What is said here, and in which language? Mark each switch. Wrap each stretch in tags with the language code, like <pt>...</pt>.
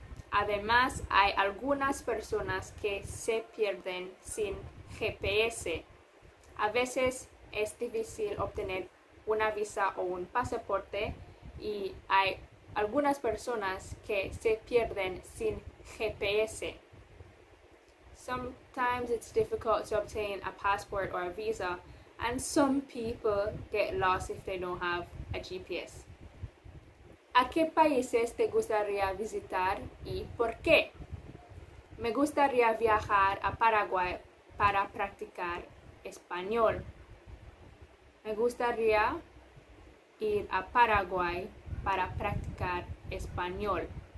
<es>Además, hay algunas personas que se pierden sin GPS. A veces es difícil obtener una visa o un pasaporte y hay algunas personas que se pierden sin GPS.</es> <en>Sometimes it's difficult to obtain a passport or a visa, and some people get lost if they don't have a GPS.</en> <es>¿A qué países te gustaría visitar y por qué? Me gustaría viajar a Paraguay para practicar español. Me gustaría ir a Paraguay para practicar español.</es>